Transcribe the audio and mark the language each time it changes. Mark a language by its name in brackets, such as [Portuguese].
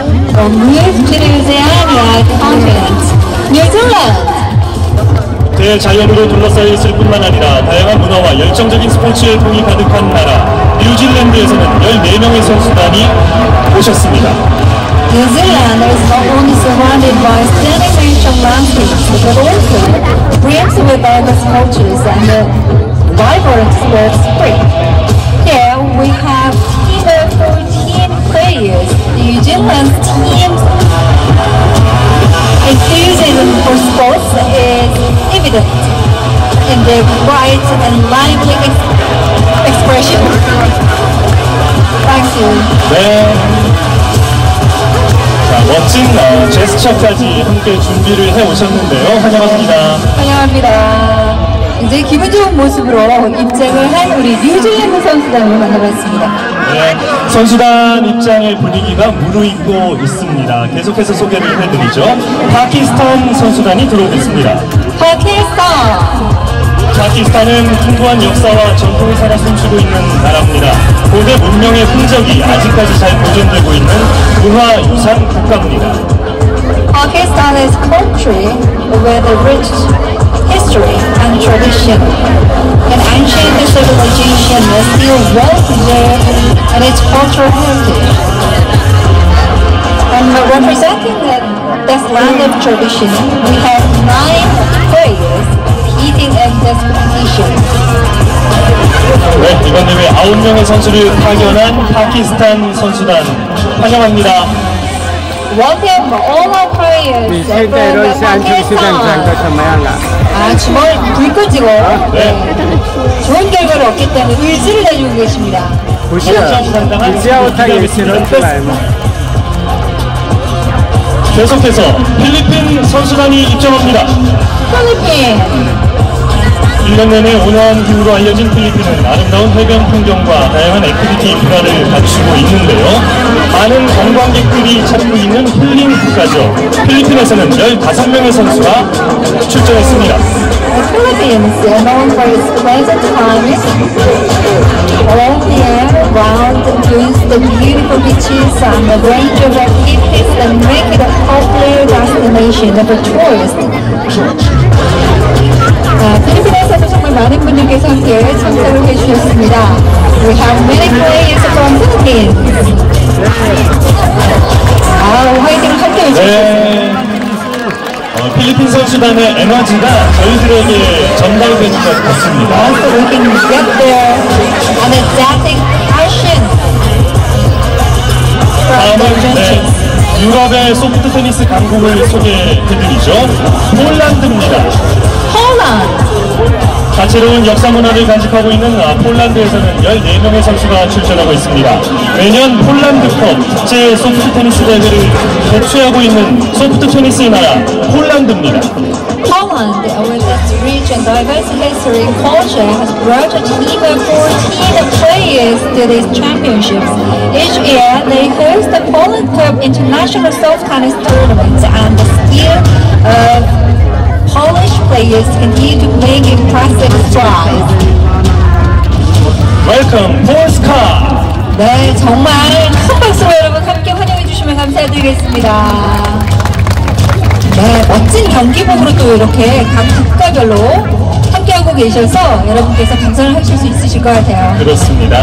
[English] From New Zealand, New Zealand. [Korean] 대자연으로 둘러싸여 있을 뿐만 아니라 다양한 문화와 열정적인 스포츠의 풍이 가득한 나라 뉴질랜드에서는 14명의 선수단이 오셨습니다. [English] New Zealand is not only surrounded by stunning natural landscapes, but also brims with diverse cultures and a vibrant sports spirit. Here we have team of 14 players. New Zealand team's enthusiasm for sports is evident in their bright and lively expression. Thank you. Well. [Korean] 멋진 제스처까지 함께 준비를 해오셨는데요. 환영합니다. 환영합니다. 이제 기분 좋은 모습으로 입장을 한 우리 뉴질랜드 선수단을 만나봤습니다. 네, 선수단 입장의 분위기가 무르익고 있습니다. 계속해서 소개를 해드리죠. 파키스탄 선수단이 들어오겠습니다. 파키스탄! 파키스탄은 풍부한 역사와 전통을 살아 숨쉬고 있는 나라입니다. 고대 문명의 흔적이 아직까지 잘 보존되고 있는 문화유산 국가입니다. [English] Pakistan is a country with a rich history and tradition. An ancient civilization is still well preserved in its cultural heritage. And representing this land of tradition, we have nine players. Eating at this position. [Korean] 네, 이번에 아홉 명의 선수를 파견한 파키스탄 선수단 환영합니다. [English] Welcome all our players from Pakistan. [Korean] 이런 시안 출시된 장가 참여한가? 아, 정말 불끈지고 네. 좋은 결과를 얻기 때문에 의지를 내주고 계십니다. 보시죠. 이지아오 타이비스는 뭐? 계속해서 필리핀 선수단이 입장합니다. 필리핀. 1년 내내 온화한 기후로 알려진 필리핀은 아름다운 해변 풍경과 다양한 액티비티 인프라를 갖추고 있는데요. 많은 관광객들이 찾고 있는 힐링 국가죠. 필리핀에서는 15명의 선수가 출전했습니다. [English] Philippines is known for its pleasant climate, all the year round, with the beautiful beaches and a range of activities that make it a popular destination of tourists. [Korean] 필리핀에서도 정말 많은 분들께서 함께 참석을 해주셨습니다. [English] We have many players from Philippines. [Korean] 아, 화이팅을 함께 해주셨습니다. 필리핀 선수단의 에너지가 저희들에게 전달되는 것 같습니다. [English] So we can get their energetic passion. [Korean] 다음은 네, 유럽의 소프트 테니스 강국을 소개해드리죠. 폴란드입니다. 폴란드! 다채로운 역사 문화를 간직하고 있는 폴란드에서는 14명의 선수가 출전하고 있습니다. 매년 폴란드컵 국제 소프트 테니스 대회를 개최하고 있는 소프트 테니스의 나라 폴란드입니다. [English] Poland, with its rich and diverse history and culture, has brought a team of 14 players to these championships. Each year, they host the Poland Cup International Soft Tennis Tournament and the skill of Polish players continue to make impressive strides. Welcome, Polska! [Korean] 네, 정말 큰 박수로 여러분 함께 환영해 주시면 감사드리겠습니다. 네, 멋진 경기법으로 또 이렇게 각 국가별로 함께하고 계셔서 여러분께서 감상을 하실 수 있으실 것 같아요. 그렇습니다.